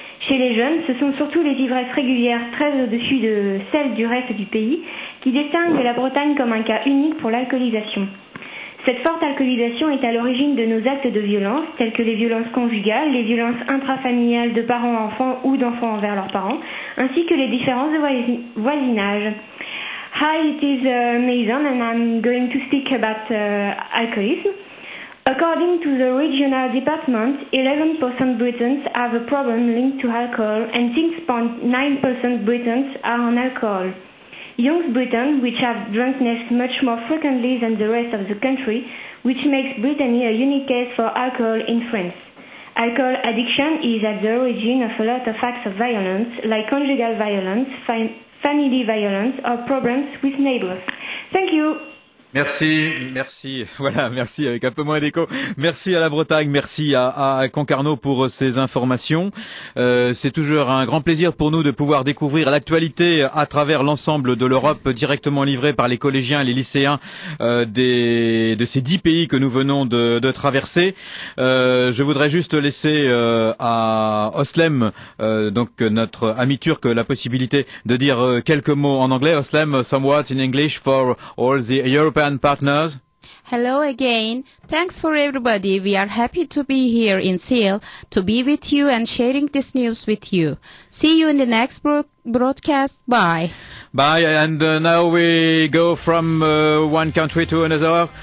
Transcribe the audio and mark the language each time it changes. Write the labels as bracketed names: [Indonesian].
[French] Chez les jeunes, ce sont surtout les ivresses régulières très au-dessus de celles du reste du pays qui distinguent la Bretagne comme un cas unique pour l'alcoolisation. Cette forte alcoolisation est à l'origine de nos actes de violence, tels que les violences conjugales, les violences intrafamiliales de parents à enfants ou d'enfants envers leurs parents, ainsi que les différences de voisinage. [English] Hi, it is Maison, and I'm going to speak about alcoholism. According to the regional department, 11% Britons have a problem linked to alcohol, and 6.9% Britons are on alcohol. Young Britons, which have drunkenness much more frequently than the rest of the country, which makes Brittany a unique case for alcohol in France. Alcohol addiction is at the origin of a lot of acts of violence, like conjugal violence, family violence, or problems with neighbors. Thank you. [French] Merci, merci. Voilà, merci avec un peu moins d'écho. Merci à la Bretagne, merci à Concarneau pour ces informations. C'est toujours un grand plaisir pour nous de pouvoir découvrir l'actualité à travers l'ensemble de l'Europe, directement livrée par les collégiens, les lycéens de ces 10 pays que nous venons de traverser. Je voudrais juste laisser à Oslem, donc notre ami turc, la possibilité de dire quelques mots en anglais. [English] Oslem, some words in English for all the Europe. And partners. Hello again. Thanks for everybody. We are happy to be here in Seal to be with you and sharing this news with you. See you in the next broadcast. Bye. Bye. And now we go from one country to another.